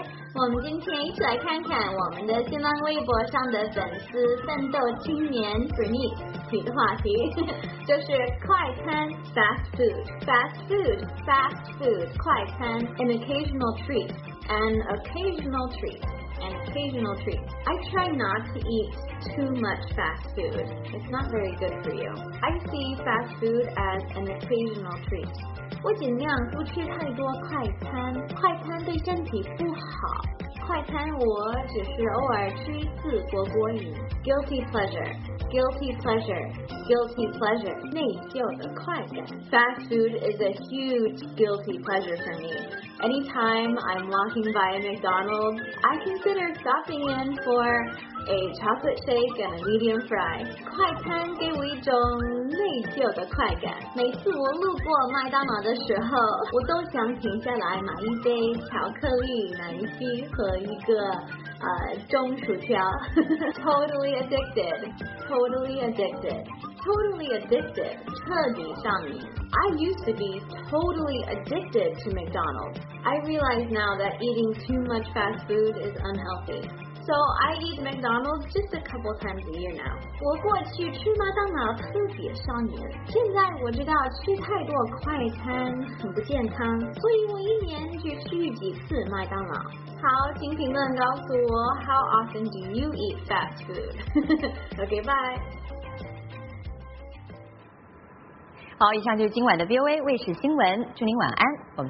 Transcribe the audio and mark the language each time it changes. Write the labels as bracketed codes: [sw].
[zh] 我们今天一起来看看我们的新浪微博上的粉丝奋斗青年 Brini 提的话题，就是快餐 fast food 快餐 [en] an occasional treat. I try not to eat too much fast food. It's not very good for you. I see fast food as an occasional treat. [zh] 我尽量不吃太多快餐，快餐对身体不好。快餐我只是偶尔吃一次过过瘾。 [en] Guilty pleasure. [zh] 内疚的快感。 [en] Fast food is a huge guilty pleasure for me. Anytime I'm walking by a McDonald's, I consider stopping in for a chocolate shake and a medium fry. [zh] 快餐给我一种内疚的快感。每次我路过麦当劳的时候，我都想停下来买一杯巧克力奶昔和一个中薯条。 [en] Totally addicted. Totally addicted. Totally addicted, [zh] 彻底上瘾。 [en] I used to be totally addicted to McDonald's. I realize now that eating too much fast food is unhealthy. So I eat McDonald's just a couple times a year now. [zh] 我过去吃麦当劳特别上瘾，现在我知道吃太多快餐很不健康，所以我一年只吃几次麦当劳。好，请评论告诉我 [en] ，How often do you eat fast food? Okay, bye. [zh] 好，以上就是今晚的 VOA 卫视新闻，祝您晚安，我们。